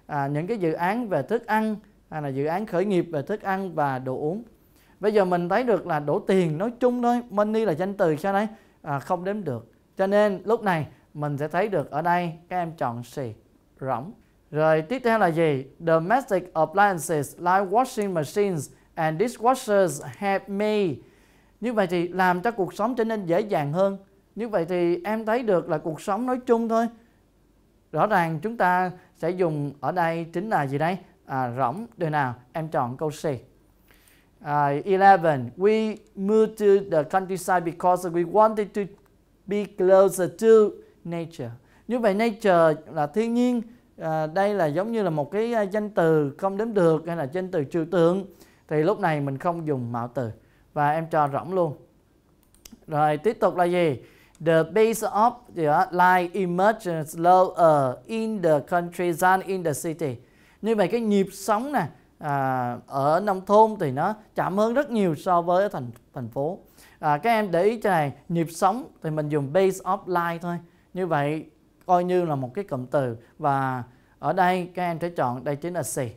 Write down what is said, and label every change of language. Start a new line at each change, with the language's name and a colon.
Vietnamese: Những cái dự án về thức ăn hay là dự án khởi nghiệp về thức ăn và đồ uống. Bây giờ mình thấy được là đổ tiền nói chung thôi. Money là danh từ sao đây? Không đếm được. Cho nên lúc này mình sẽ thấy được ở đây các em chọn xì, rỗng. Rồi tiếp theo là gì?
English: Domestic appliances like washing machines and dishwashers help me.
Vietnamese: Như vậy thì làm cho cuộc sống trở nên dễ dàng hơn. Như vậy thì em thấy được là cuộc sống nói chung thôi. Rõ ràng chúng ta sẽ dùng ở đây chính là gì đây? Rỗng, đưa nào? Em chọn câu C. 11.
English: We moved to the countryside because we wanted to be closer to nature.
Vietnamese: Như vậy nature là thiên nhiên. Đây là giống như là một cái danh từ không đếm được hay là danh từ trừu tượng. Thì lúc này mình không dùng mạo từ và em cho rỗng luôn. Rồi tiếp tục là gì?
English: The base of the life emerges lower in the country than in the city.
Vietnamese: Như vậy cái nhịp sống nè, ở nông thôn thì nó chậm hơn rất nhiều so với thành phố. Các em để ý cho này, nhịp sống thì mình dùng
English: base of life
Vietnamese: thôi. Như vậy coi như là một cái cụm từ và ở đây các em sẽ chọn đây chính là C.